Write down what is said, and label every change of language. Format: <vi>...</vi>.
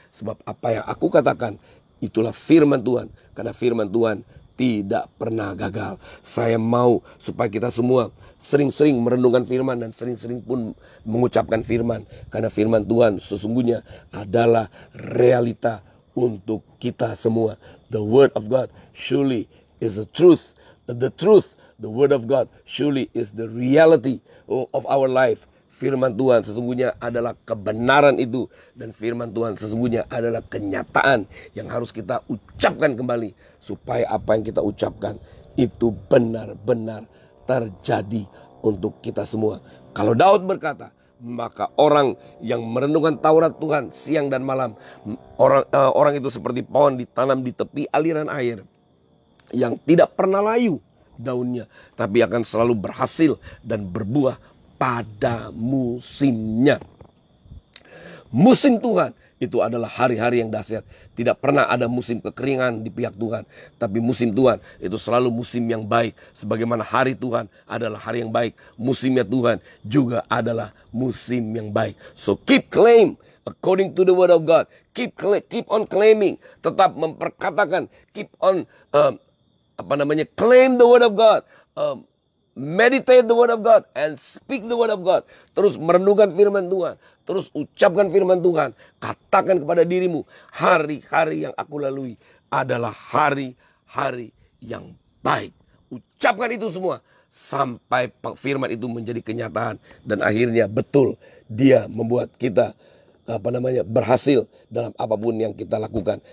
<id>Sebab apa yang aku katakan, itulah firman Tuhan. Karena firman Tuhan tidak pernah gagal. Saya mau supaya kita semua sering-sering merenungkan firman dan sering-sering pun mengucapkan firman. Karena firman Tuhan sesungguhnya adalah realita untuk kita semua.</id> <en>The word of God surely is the truth. The truth, the word of God surely is the reality of our life.</en> <id>Firman Tuhan sesungguhnya adalah kebenaran itu. Dan firman Tuhan sesungguhnya adalah kenyataan yang harus kita ucapkan kembali. Supaya apa yang kita ucapkan itu benar-benar terjadi untuk kita semua. Kalau Daud berkata, maka orang yang merenungkan Taurat Tuhan siang dan malam, orang itu seperti pohon ditanam di tepi aliran air, yang tidak pernah layu daunnya, tapi akan selalu berhasil dan berbuah pada musimnya. Musim Tuhan itu adalah hari-hari yang dahsyat. Tidak pernah ada musim kekeringan di pihak Tuhan. Tapi musim Tuhan itu selalu musim yang baik. Sebagaimana hari Tuhan adalah hari yang baik, musimnya Tuhan juga adalah musim yang baik.</id> <en>So keep claim according to the word of God. Keep on claiming.</en> <id>Tetap memperkatakan.</id> <en>Claim the word of God. Meditate the word of God and speak the word of God.</en> <id>Terus merenungkan firman Tuhan. Terus ucapkan firman Tuhan. Katakan kepada dirimu, hari-hari yang aku lalui adalah hari-hari yang baik. Ucapkan itu semua sampai firman itu menjadi kenyataan. Dan akhirnya betul dia membuat kita berhasil dalam apapun yang kita lakukan.</id>